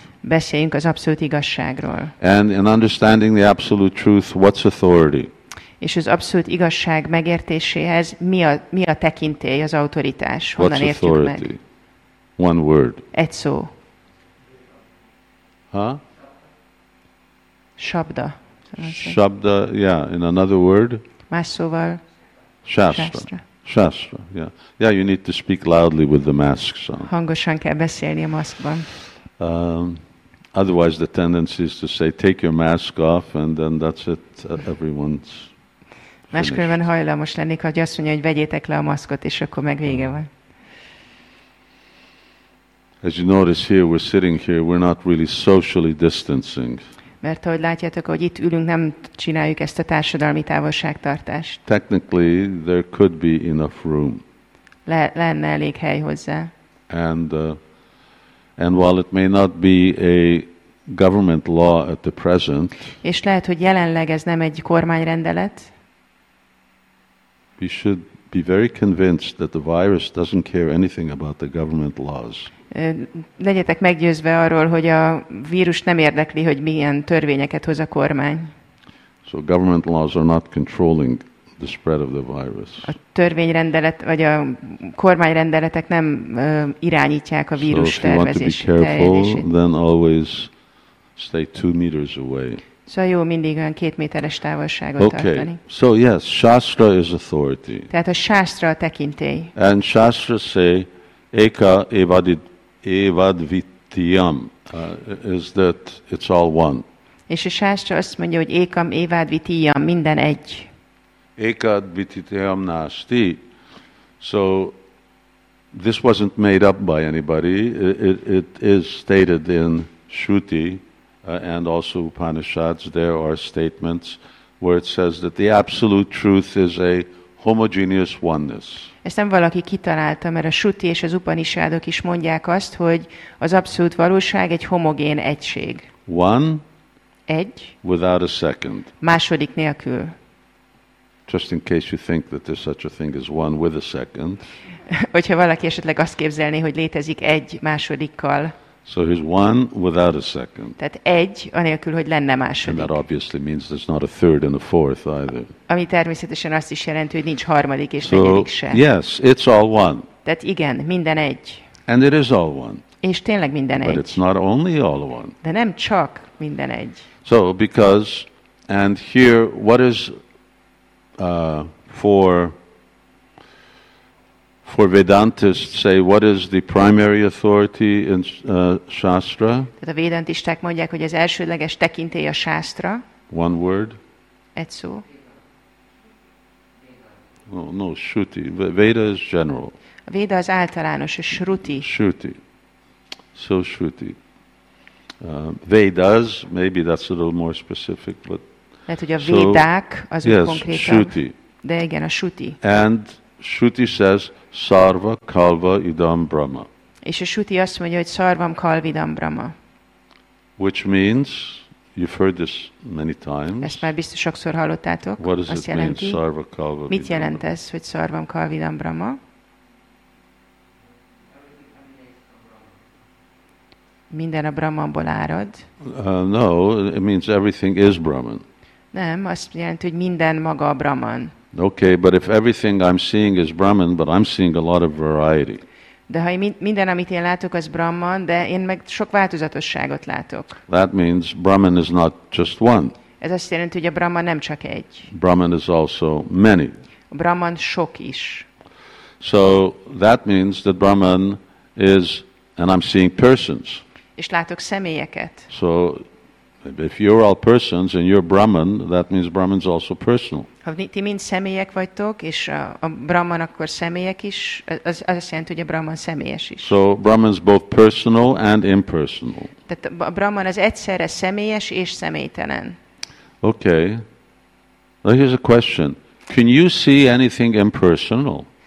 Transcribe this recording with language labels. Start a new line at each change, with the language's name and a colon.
Hungarian: Beszéljünk az abszolút igazságról.
English: And in understanding the absolute truth, what's authority?
Hungarian: És az abszolút igazság megértéséhez mi a tekintély, az autoritás? Honnan
English: what's
Hungarian: értjük
English: authority?
Hungarian: Meg?
English: One word.
Hungarian: Egy szó. Huh?
Sanskrit: Shabda.
English: Shabda, yeah, in another word.
Hungarian: Más szóval.
English: Shastra, yeah. Yeah, you need to speak loudly with the masks on.
Hungarian: Hangosan kell beszélni a maszkban.
English: Otherwise the tendency is to say, take your mask off, and then that's it, everyone's finished.
Hungarian: Máskülönben hajlamos lennék, hogy azt mondja, hogy vegyétek le a maszkot, és akkor meg vége van.
English: As you notice here, we're sitting here, we're not really socially distancing.
Hungarian: Mert ahogy látjátok, hogy itt ülünk, nem csináljuk ezt a társadalmi távolságtartást.
English: Technically, there could be enough room.
Hungarian: Lenne elég hely hozzá.
English: And while it may not be a government law at the present,
Hungarian: és lehet, hogy jelenleg ez nem egy kormányrendelet,
English: we should be very convinced that the virus doesn't care anything about the government laws.
Hungarian: Legyetek meggyőzve arról, hogy a vírus nem érdekli, hogy milyen törvényeket hoz a kormány.
English: So government laws are not controlling the spread of the virus.
Hungarian: A törvényrendelet vagy a kormányrendeletek nem irányítják a vírus
English: so
Hungarian: tervezését.
English: So if you want to be careful, then always stay 2 meters away.
Hungarian: Szóval jó mindig olyan 2 méteres távolságot tartani.
English: Okay. So yes, Shastra is authority.
Hungarian: Tehát a Shastra a tekintély.
English: And Shastra say,
Sanskrit: Eka evadvityam,
English: is that it's all one.
Hungarian: És a Shastra azt mondja, hogy
Sanskrit: ekam evadvityam,
Hungarian: minden egy.
Sanskrit: Ekadvityam nasti.
English: So this wasn't made up by anybody. It is stated in Shruti and also Upanishads. There are statements where it says that the absolute truth is a homogeneous oneness.
Hungarian: Ezt nem valaki kitalálta, mert a Shruti és az Upanishadok is mondják azt, hogy az abszolút valóság egy homogén egység.
English: One.
Hungarian: Egy.
English: Without a second.
Hungarian: Második nélkül.
English: Just in case you think that there's such a thing as one with a second.
Hungarian: Hogyha valaki esetleg azt képzelné, hogy létezik egy másodikkal.
English: So here's one without a second.
Hungarian: Tehát egy, anélkül, hogy lenne második.
English: And that obviously means there's not a third and a fourth either.
Hungarian: Ami természetesen azt is jelenti, hogy nincs harmadik és
English: so,
Hungarian: negyedik sem.
English: So yes, it's all one.
Hungarian: Tehát igen, minden egy.
English: And it is all one.
Hungarian: És tényleg minden
English: But
Hungarian: egy.
English: But it's not only all one.
Hungarian: De nem csak minden egy.
English: So because, and here, what is for Vedantists say, what is the primary authority in Shastra?
Hungarian: Tehát a Vedantisták mondják, hogy az elsődleges tekintély a Shastra.
English: One word.
Hungarian: Egy szó.
English: No, Shruti. Veda is general.
Hungarian: A Veda az általános, a Shruti.
English: Shruti. So Shruti. Vedas, maybe that's a little more specific, but
Hungarian: lehet, hogy a Védák az
English: yes,
Hungarian: konkrétan.
Sanskrit: Shruti.
Hungarian: De igen, a Shruti.
English: And Shruti says,
Sanskrit: sarva kalva idam brahma.
Hungarian: És a Shruti azt mondja, hogy
Sanskrit: sarvam kalvidam brahma.
English: Which means, you've heard this many times.
Hungarian: Ezt már biztos sokszor hallottátok.
English: What does it mean,
Sanskrit: sarva kalva?
Hungarian: Mit jelent ez, hogy
Sanskrit: sarvam kalvidam brahma?
Hungarian: Minden a Brahmanból árad.
English: No, it means everything is Brahman.
Hungarian: Nem, azt jelenti, hogy minden maga a Brahman.
English: Okay, but if everything I'm seeing is Brahman, but I'm seeing a lot of variety.
Hungarian: De ha minden, amit én látok, az Brahman, de én meg sok változatosságot látok.
English: That means Brahman is not just one.
Hungarian: Ez azt jelenti, hogy a Brahman nem csak egy.
English: Brahman is also many.
Hungarian: A Brahman sok is.
English: So that means that Brahman is, and I'm seeing persons.
Hungarian: És látok személyeket.
English: So, if you're all persons and you're Brahman, that means Brahman's also personal.
Hungarian: Ha ti mind személyek vagytok, és a Brahman akkor személyek is, az azt jelenti, hogy a Brahman személyes is.
English: So, Brahman's both personal and impersonal.
Hungarian: Tehát a Brahman az egyszerre személyes és személytelen.
English: Okay. Now here's a question. Can you see anything impersonal?